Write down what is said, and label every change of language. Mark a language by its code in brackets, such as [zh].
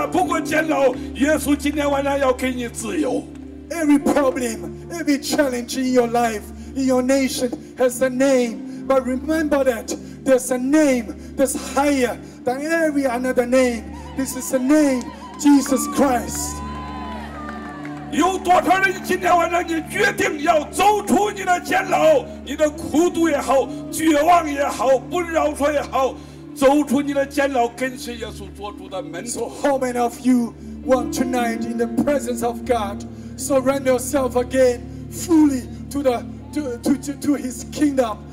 [zh] 不管你是存哪一个国家来，你的问题大不过存死里复活的耶稣，你的问题大不过监牢。耶稣今天晚上要给你自由。 [en] Every problem, every challenge in your life, in your nation has a name. But remember that there's a name that's higher than every other name. This is the name Jesus Christ. [zh] 有多少人今天晚上你决定要走出你的监牢，你的苦毒也好，绝望也好，不饶恕也好，走出你的监牢，跟随耶稣做主的门。 [en] So how many of you want tonight in the presence of God, surrender yourself again fully to His kingdom?